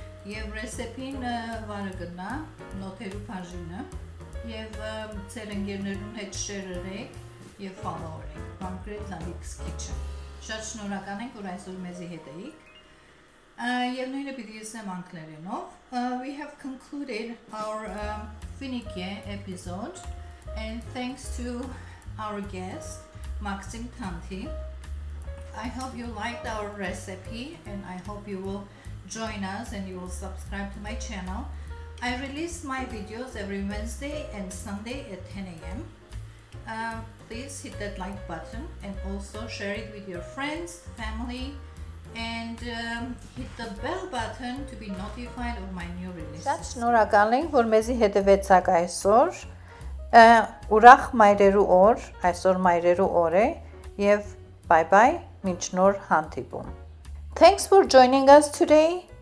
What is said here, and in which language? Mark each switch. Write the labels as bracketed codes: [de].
[hy] եւ ռեսեպին վարը գնա, նոթերու բաժինը եւ ձեր ընկերներուն հետ շերերեք եւ ֆոլոուերեք, Margaret, LALIK'S Kitchen։ Շատ շնորհակալ ենք, որ այսօր մեզի հետ էիք։ Եվ նույնը պիտի ասեմ անգլերենով, [en] we have concluded our ֆինիկիա episode. And thanks to our guest, Maxim Tanti. I hope you liked our recipe and I hope you will join us and you will subscribe to my channel. I release my videos every Wednesday and Sunday at 10 a.m. Please hit that like button and also share it with your friends, family, and hit the bell button to be notified of my new releases. [hy] Շատ շնորհակալ ենք, որ մեզի հետևեցաք այսօր. Ուրախ մայրերու օր, այսօր մայրերու օր է եւ բայ-բայ, մինչ նոր հանդիպում։ [en] Thanks for joining us today.